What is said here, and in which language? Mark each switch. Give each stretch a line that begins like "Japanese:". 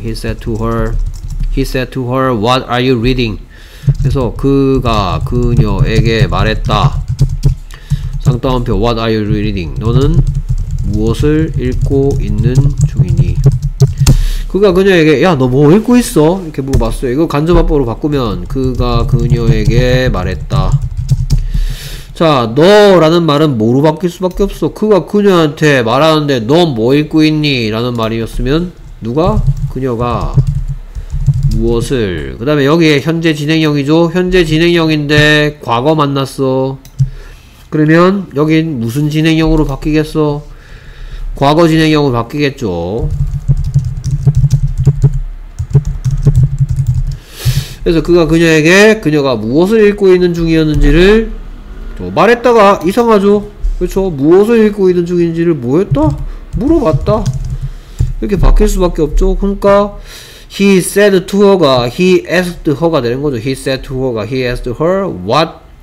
English: he said to her what are you reading.
Korean: 그래서 그가 그녀에게 말했다. 상담원표
English: what are you reading.
Korean: 너는 무엇을 읽고 있는 중이니. 그가 그녀에게 야 너 뭐 읽고 있어 이렇게 물어봤어요. 이거 간접합법으로 바꾸면 그가 그녀에게 말했다. 자 너라는 말은 뭐로 바뀔 수밖에 없어. 그가 그녀한테 말하는데 너 뭐 읽고 있니 라는 말이었으면 누가 그녀가 무엇을. 그 다음에 여기에 현재 진행형이죠. 현재 진행형인데 과거 만났어. 그러면 여긴 무슨 진행형으로 바뀌겠어? 과거 진행형으로 바뀌겠죠. 그래서 그가 그녀에게 그녀가 무엇을 읽고 있는 중이었는지를 말했다가 이상하죠. 그렇죠. 무엇을 읽고 있는 중인지를 뭐 했다? 물어봤다. 이렇게 바뀔 수밖에 없죠. 그러니까
English: he said to her
Korean: 가
English: he asked her
Korean: 가 되는 거죠.
English: he said to her가 he asked her what.